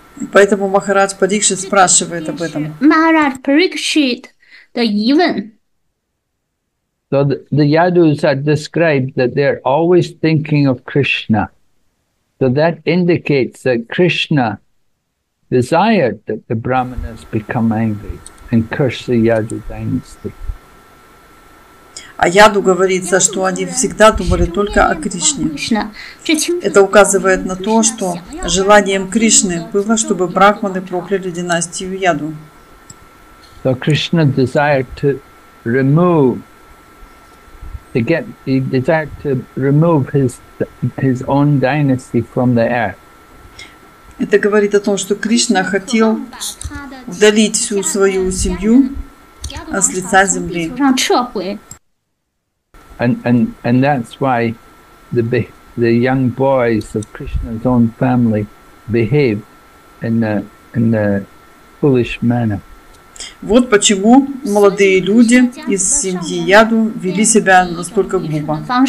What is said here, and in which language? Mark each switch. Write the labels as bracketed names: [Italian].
[Russian] Поэтому Махарадж Парикшит спрашивает об этом. Махарадж Парикшит, the even. [English] So the Yadus are described that they are always thinking of Krishna. So that indicates that Krishna desired that the Brahmanas become angry and curse the Yadu dynasty. [Russian] А Яду говорится, что они всегда думали только о Кришне. Это указывает на то, что желанием Кришны было, чтобы брахманы прокляли династию Яду. [English] So Krishna desired to remove, he desired to remove his own dynasty from the earth. [Russian] Это говорит о том, что Кришна хотел удалить всю свою семью с лица земли. [English] And that's why the young boys of Krishna's own family behaved in a foolish manner. [Russian] Вот почему молодые люди из семьи Яду вели себя настолько глупо.